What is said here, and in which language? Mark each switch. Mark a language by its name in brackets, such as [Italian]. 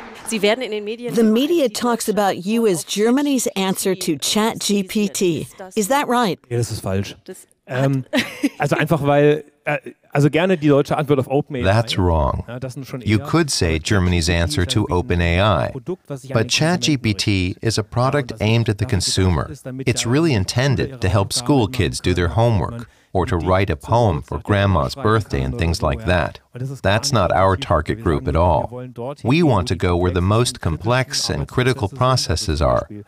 [English] The media talks about you as Germany's answer to ChatGPT. Is that right? [German] Ja, das ist falsch. Also einfach weil also gerne die deutsche Antwort auf OpenAI. [English] That's wrong. You could say Germany's answer to OpenAI. But ChatGPT is a product aimed at the consumer. It's really intended to help school kids do their homework or to write a poem for grandma's birthday and things like that. That's not our target group at all. We want to go where the most complex and critical processes are.